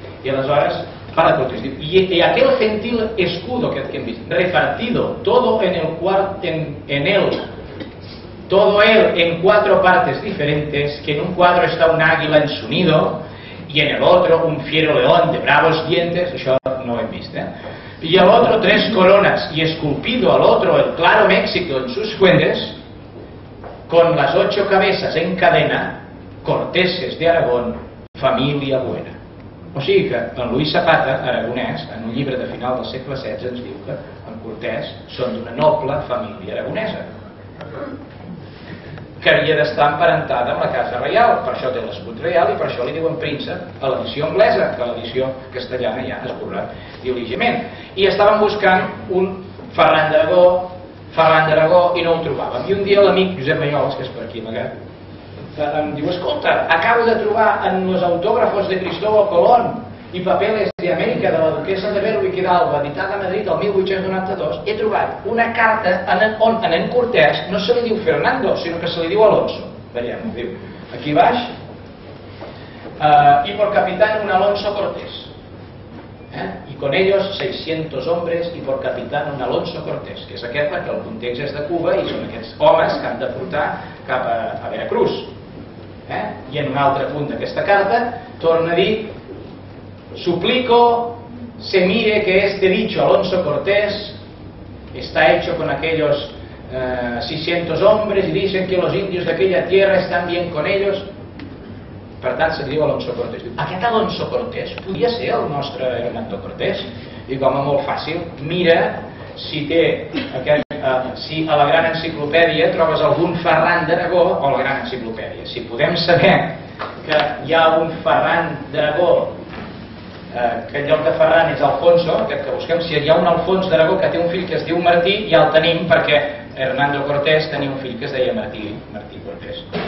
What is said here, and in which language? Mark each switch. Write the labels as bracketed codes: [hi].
[ca] I aleshores, [es] para Cortés, diu, y aquel gentil escudo que hem vist, repartido todo en el todo él en cuatro partes diferentes, que en un cuadro está un águila en su nido y en el otro un fiero león de bravos dientes, [ca] això no ho hem vist, [es] y al otro tres coronas y esculpido al otro el claro México en sus fuentes, con las ocho cabezas en cadena, corteses de Aragón, familia buena. [ca] O sigui que en Lluís Zapata, aragonès, en un llibre de final del segle XVI, ens diu que en Cortés són d'una noble família aragonesa, que havia d'estar emparentada amb la casa reial, per això té l'escut reial i per això li diuen príncep a l'edició anglesa, que l'edició castellana ja ha esborrat diligentment. I estàvem buscant un Ferran d'Aragó, i no ho trobàvem. I un dia l'amic Josep Maiols, que és per aquí amagat, em diu, escolta, acabo de trobar en els autògrafos de Cristóbal Colón i papeles d'Amèrica de la duquesa de Berwick i d'Alba, editada a Madrid el 1892, he trobat una carta on en Cortés no se li diu Fernando, sinó que se li diu Alonso. Veiem, diu, aquí baix, i [es] por capitán un [ca] Alonso Cortés. I [es] con ellos 600 hombres [ca] i [es] por capitán un [ca] Alonso Cortés, que és aquest perquè el context és de Cuba i són aquests homes que han de portar cap a Veracruz. I en un altre punt d'aquesta carta torna a dir [es] suplico se mire que este dicho Alonso Cortés está hecho con aquellos 600 hombres y dicen que los indios de aquella tierra están bien con ellos. [ca] Per tant, se diu Alonso Cortés. Aquest Alonso Cortés podia ser el nostre Hernando Cortés? I com a molt fàcil, mira si té si a la Gran Enciclopèdia trobes algun Ferran d'Aragó o la Gran Enciclopèdia. Si podem saber que hi ha un Ferran d'Aragó, que en lloc de Ferran és Alfonso, aquest que busquem, si hi ha un Alfons d'Aragó que té un fill que es diu Martí, ja el tenim, perquè Hernando Cortés tenia un fill que es deia Martí, Martí Cortés.